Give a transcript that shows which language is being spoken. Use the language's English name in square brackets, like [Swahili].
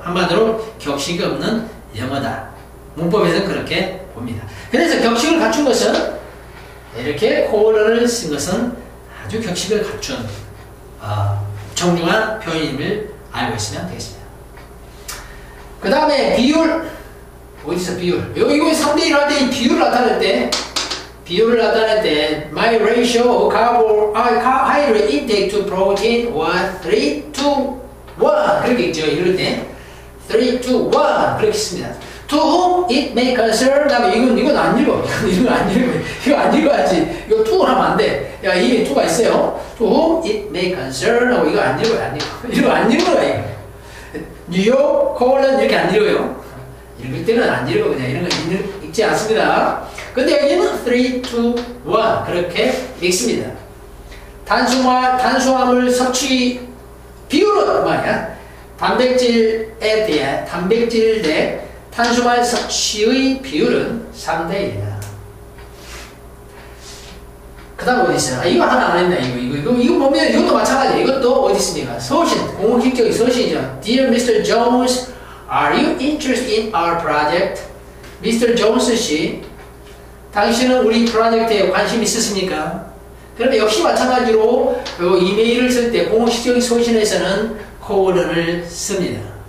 [Korean] 한마디로 격식이 없는 영어다. 문법에서는 그렇게 봅니다. 그래서 격식을 갖춘 것은 이렇게 콜라를 쓴 것은 아주 격식을 갖춘 정중한 표현임을 알고 있으면 되겠습니다. 그 다음에 비율. 어디서 비율? 이거 3대 1 할 때 비율을 나타낼 때, [English] my ratio of carbohydrate intake to protein was 3 to 1. [Korean] 그렇게 있죠. 이럴 때. 3 to 1. 그렇게 있습니다. [English] To whom it may concern. [Korean] 나 이건 안 읽어. 이거 안 읽어야지. 이거 to 하면 안 돼. 야, 이게 to가 있어요. [English] To whom it may concern. [Korean] 하고 이거 안 읽어요. 이거 안 읽어요. 뉴욕, 콜론 이렇게 안 읽어요. 읽을 때는 안 읽어. 그냥 이런 거 읽지 않습니다. 근데 여기는 3, 2, 1. 그렇게 읽습니다. 탄수화물 섭취 비율은 말이야. 단백질에 대해, 단백질 대 탄수화물 섭취의 비율은 3대1이다. 그 다음 어디 있어요? 아, 이거 하나 안 했나? 이거 보면 이것도 마찬가지. 이것도 어디 있습니까? 서신, 공식적인 서신이죠. [English] Dear Mr. Jones, are you interested in our project? Mr. [Korean] Jones 씨, 당신은 우리 프로젝트에 관심 있으십니까? 그런데 역시 마찬가지로 요 이메일을 쓸 때 공식적인 서신에서는 colon을 씁니다.